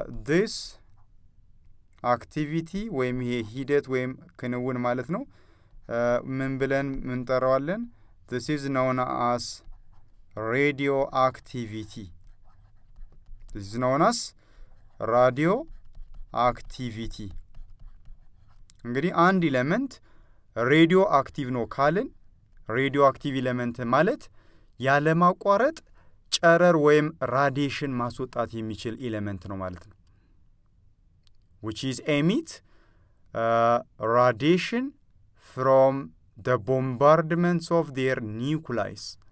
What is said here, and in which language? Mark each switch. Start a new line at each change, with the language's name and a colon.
English: This activity
Amharic: ወይም ይሄ ሂደት ወይም ክንውን ማለት ነው ምን ብለን ምን ጠራዋለን?
English: This is known as radioactivity.
Amharic: እንግዲህ አንድ ኤሌመንት ሬዲዮ አክቲቭ ነው ካልን ሬዲዮ አክቲቭ ኤሌመንት ማለት ያለማቋረጥ ጨረር ወይም ራዲየሽን ማስወጣት የሚችል ኤሌመንት ነው ማለት ነው።
English: which is emit radiation from the bombardments of their nucleus.